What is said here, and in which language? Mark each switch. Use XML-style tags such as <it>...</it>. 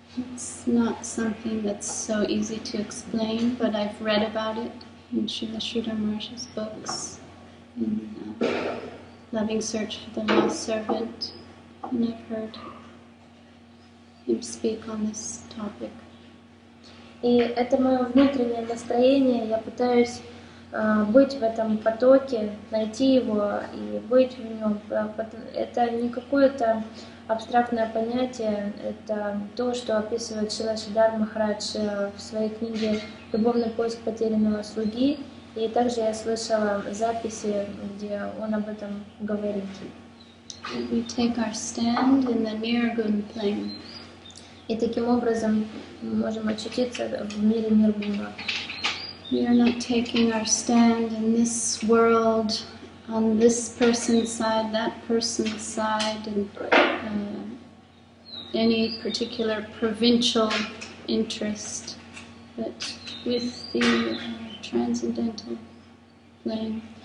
<en>It's not something that's so easy to explain, but I've read about it in Srila Sridhar Maharaj's books, in Loving Search for the Lost Servant, and I've heard him speak on this topic.</en> <ru>И это мое внутреннее настроение, я пытаюсь быть в этом потоке, найти его и быть в нем. Это не какое-то абстрактное понятие, это то, что описывает Шрила Сиддхар Махарадж в своей книге «Любовный поиск потерянного слуги». И также я слышала записи, где он об этом говорит.</ru> <en>We take our stand in the Nirguna plane.</en> <ru>И таким образом мы можем очутиться в мире Ниргуна.</ru> <en>We are not taking our stand in this world, on this person's side, that person's side, and any particular provincial interest, but with the transcendental plane.</en>